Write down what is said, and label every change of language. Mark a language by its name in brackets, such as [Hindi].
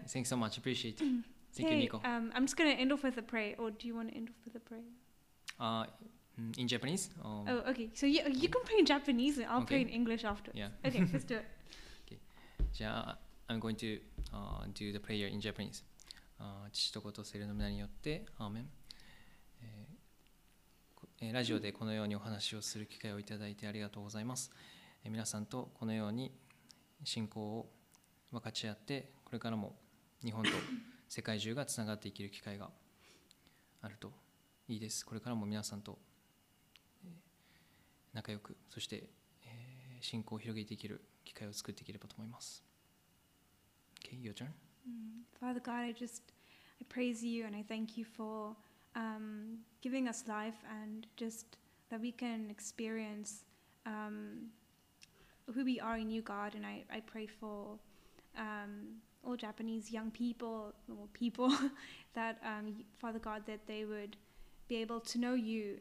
[English] Thanks so much. Appreciate it. Thank you, Nico. I'm just going to end off with a prayer, or do you want to end off with a prayer? In Japanese? Oh, okay. So you can pray in Japanese, and I'll pray in English after. Yeah. Okay, let's do it. じゃあ、I'm going to do the prayer in Japanese. [Japanese] 父と子と聖霊の名によって、アーメン。ラジオでこのようにお話をする機会をいただいてありがとうございます。皆さんとこのように信仰を分かち合って、これからも日本と世界中がつながっていける機会があるといいです。これからも皆さんと仲良く、そして信仰を広げていける機会を作っていければと思います。 [English] Okay, your turn. Father God, I praise you and I thank you for giving us life and just that we can experience who we are in you, God. And I pray for all Japanese young people, or people, that Father God, that they would be able to know you.